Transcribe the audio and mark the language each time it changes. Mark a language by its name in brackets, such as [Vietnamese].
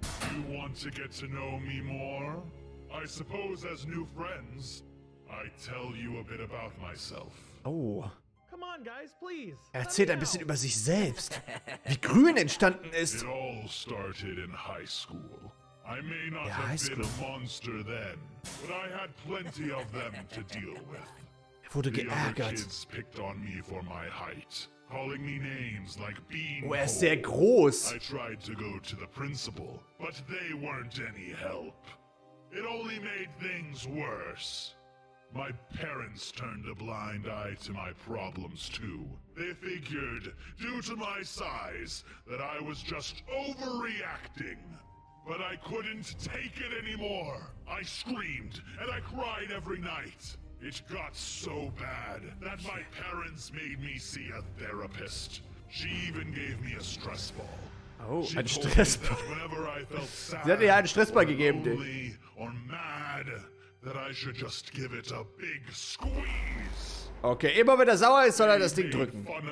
[English] You want to get to know me more? I suppose as new friends, I tell you a bit about myself. Oh. Come on, guys, please. [German] Er erzählt ein bisschen über sich selbst, wie grün entstanden ist. [English] It all started in high school. I may not have been a monster then, but I had plenty of them to deal with. [German] Er wurde geärgert. [English] The kids picked on me for my height, calling me names like Bean. [German] Oh, er ist sehr groß. [English] I tried to go to the principal, but they weren't any help. It only made things worse. My parents turned a blind eye to my problems, too. They figured, due to my size, that I was just overreacting. But I couldn't take it anymore. I screamed, and I cried every night. It got so bad that my parents made me see a therapist. She even gave me a stress ball. [German] Oh, ein Stressball. Sie hat mir einen Stressball gegeben, [English] Dick. Or mad. That I should just give it a big squeeze. [German] Okay, immer wenn er sauer ist, soll er das Ding drücken.